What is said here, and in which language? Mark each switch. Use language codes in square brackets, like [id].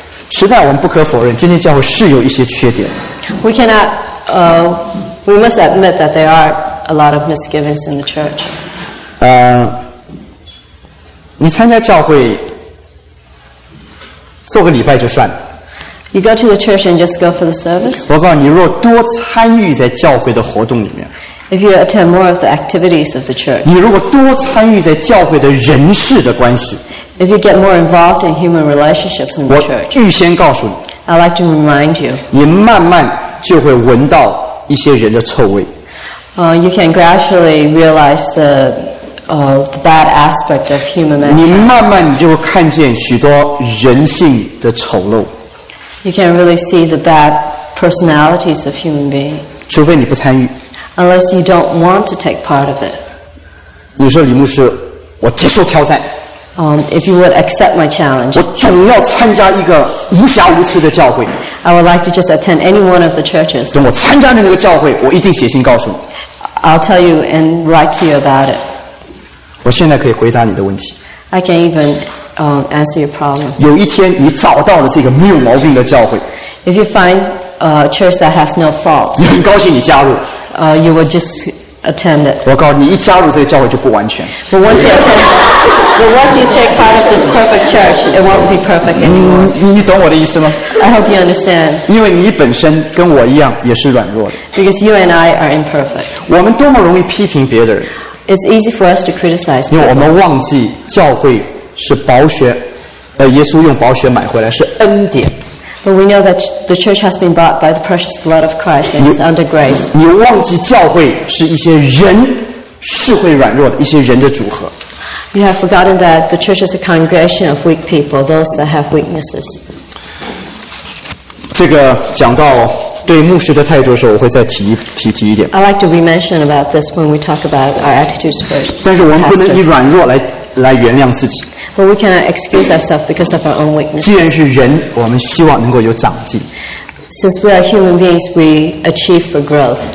[zh] 实在我们不可否认，今天教会是有一些缺点。 [en] We cannot, we must admit that there are a lot of misgivings in the church. [zh] 你参加教会，做个礼拜就算了。 [en] You go to the church and just go for the service. [zh] 我告诉你，若多参与在教会的活动里面 [en] ，If you attend more of the activities of the church. [zh] 你如果多参与在教会的人事的关系 [en] ，If you get more involved in human relationships in the church. [zh] 我预先告诉你 [en] ，I like to remind you. [zh] 你慢慢就会闻到一些人的臭味。 [en] You can gradually realize the, the bad aspect of human nature. [zh] 你慢慢你就会看见许多人性的丑陋。 [en] You can't really see the bad personalities of human beings. [zh] 除非你不参与。 [en] Unless you don't want to take part of it. [zh] 你说李牧师，我接受挑战。 [en] If you would accept my challenge. [zh] 我总要参加一个无瑕无疵的教会。 [en] I would like to just attend any one of the churches. [zh] 等我参加那个教会，我一定写信告诉你。 [en] I'll tell you and write to you about it. [zh] 我现在可以回答你的问题。 [en] I can even. Answer your problem. [zh] 有一天你找到了这个没有毛病的教会 [en] If you find a church that has no fault, [zh] 你很高兴你加入 [en] You will just attend it. [zh] 我告诉你，一加入这个教会就不完全 [en] But once you attend, but once you take part of this perfect church, it won't be perfect anymore. [zh] 你懂我的意思吗 [en] I hope you understand. [zh] 因为你本身跟我一样也是软弱的 [en] Because you and I are imperfect. [zh] 我们多么容易批评别的人 [en] It's easy for us to criticize. [zh] 因为我们忘记教会。是宝血，耶稣用宝血买回来，是恩典。 [en] But we know that the church has been bought by the precious blood of Christ, and it's under grace. [zh] 你忘记教会是一些人是会软弱的一些人的组合。 [en] You have forgotten that the church is a congregation of weak people, those that have weaknesses. [zh] 这个讲到对牧师的态度的时候，我会再提一点。 [en] I like to re-mention about this when we talk about our attitudes first. [zh] 但是我们不能以软弱来原谅自己。 [en] But we cannot excuse ourselves because of our own weakness. [zh] 既然是人，我们希望能够有长进。 [en] Since we are human beings, we achieve for growth.